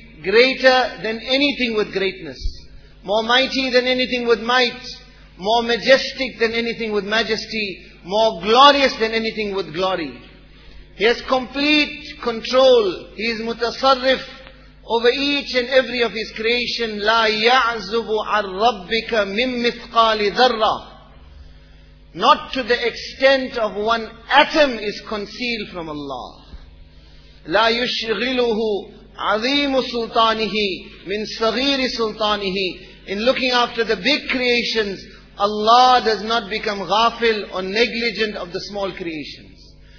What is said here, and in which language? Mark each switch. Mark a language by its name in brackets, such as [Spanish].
[English] greater than anything with greatness, more mighty than anything with might, more majestic than anything with majesty, more glorious than anything with glory. He has complete control. He is mutasarrif over each and every of His creation. [Arabic] لا يعزب عن ربك من مثقال ذرة. [English] Not to the extent of one atom is concealed from Allah. [Arabic] لا يشغله عظيم سلطانه من صغير سلطانه. [English] In looking after the big creations, Allah does not become ghafil or negligent of the small creations.